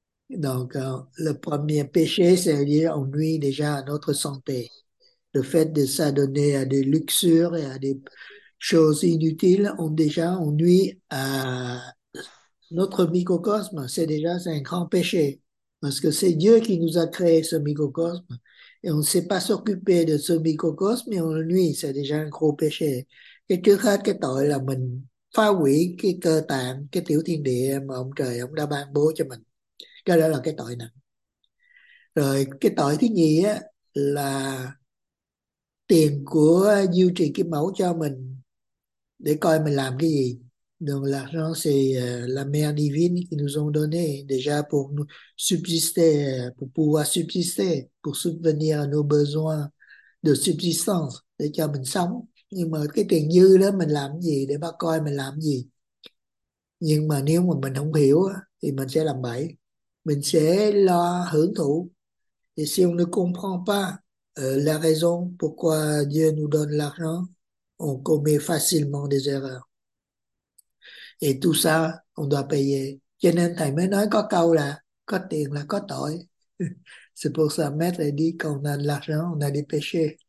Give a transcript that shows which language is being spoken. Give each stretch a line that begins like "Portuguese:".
French: Donc, le premier péché, c'est dire on nuit déjà à notre santé. Le fait de s'adonner à des luxures et à des choses inutiles, on nuit à notre microcosme. C'est déjà, c'est un grand péché. Parce que c'est Dieu qui nous a créé ce microcosme. Et on ne sait pas s'occuper de ce microcosme et on le nuit. C'est déjà un gros péché.
Vietnamese: Et thứ hai, cái tội là mình phá hủy cái cơ tạng, cái tiểu thiên địa mà ông trời ông đã ban bố cho mình. Cái đó là cái tội nặng. Rồi cái tội thứ nhì á, là tiền của duy trì cái mẫu cho mình để coi mình làm cái gì.
French: Donc l'argent c'est la mère divine qui nous ont donné déjà pour nous subsister, pour pouvoir subsister, pour subvenir à nos besoins de subsistance
Vietnamese: để cho mình sống. Nhưng mà cái tiền dư đó mình làm gì để bắt coi mình làm gì. Nhưng mà nếu mà mình không hiểu thì mình sẽ làm bậy. Mình sẽ lo hưởng thụ.
French: Et si on ne comprend pas la raison pourquoi Dieu nous donne l'argent, on commet facilement des erreurs. Et tout ça, on doit payer.
Vietnamese: Cho nên thầy mới nói có câu là có tiền là có tội.
French: C'est pour ça, maître a dit quand on a de l'argent, on a des péchés.